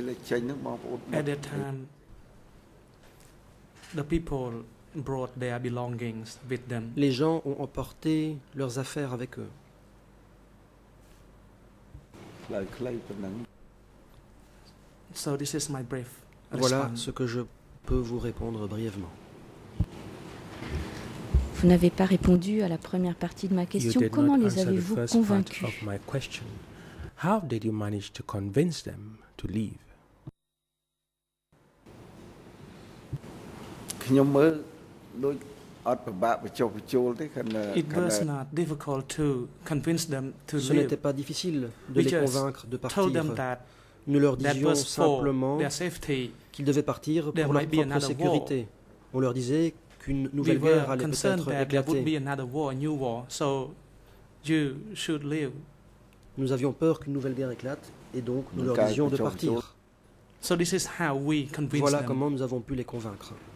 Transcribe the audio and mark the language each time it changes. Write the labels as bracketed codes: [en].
[en] At that time, the people brought their belongings with them. [fr] Les gens ont emporté leurs affaires avec eux. [en] So this is my brief. [fr] Voilà ce que je peux vous répondre brièvement. Vous n'avez pas répondu à la première partie de ma question. Comment les avez-vous convaincus? [en] How did you manage to convince them to leave? It was not difficult to convince them to leave. [fr] Ce n'était pas difficile de les convaincre de partir. [en] We just told them that [fr] nous leur disions simplement [en] their safety, [fr] qu'ils devaient partir pour leur propre sécurité. On leur disait qu'une nouvelle guerre allait peut-être éclater. [en] There would be another war, a new war, so you should leave. [fr] Nous avions peur qu'une nouvelle guerre éclate et donc nous leur disions de partir. [en] So this is how we convinced them. [fr] Voilà comment nous avons pu les convaincre.